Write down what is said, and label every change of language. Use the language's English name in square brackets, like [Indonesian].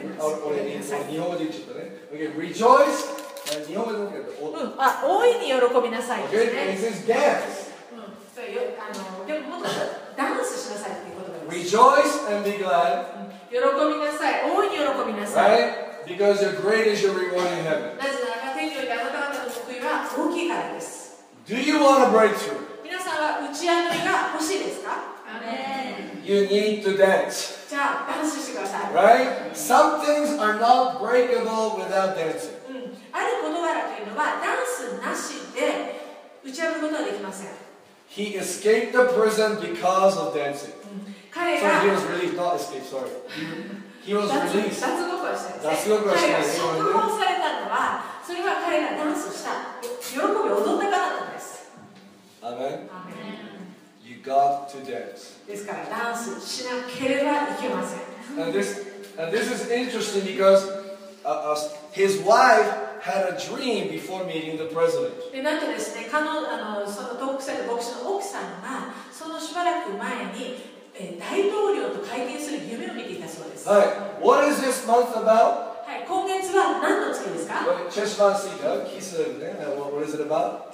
[Japanese] 日本語で言っちゃったね。 [English] Okay, rejoice. [Japanese] 日本語で言ったけど、大いに喜びなさいですね。 [English] Okay, this is dance. [Japanese] でももっとダンスしなさいっていうことです。 [English] Rejoice and be glad. [Japanese] 喜びなさい、大いに喜びなさい。 [English] Right? Because your great is your reward in heaven. [Japanese] なぜなら天によりあなた方の救いは大きいからです。 [English] Do you want a breakthrough? [Japanese] 皆さんは打ち上げが欲しいですか？アメン。 [English] You need to dance. [Japanese] じゃあダンスしてください。 [English] Right? Some things are not breakable without dancing. [Japanese] ある事柄というのはダンスなしで打ち上げることはできません。 [English] He escaped the prison because of dancing. [Japanese] 彼が。 [English] So he was really not escaped, sorry. He was released. [Japanese] 脱獄をされたのは、それは彼がダンスした喜び踊ったからなんです。アメン。アメン。 [English] You got to dance. [Japanese] ですからダンスしなければいけません。 [English] And this is interesting because his wife had a dream before meeting the president. [Japanese] でなんとですね、その独裁の牧師の奥さんがそのしばらく前に。大統領と会見する夢を見ていたそうです。 [English] はい。What is this month about? [Japanese] はい。今月は何の月ですか？チェスマンシーカー、キスレブね。 [English] What is it about?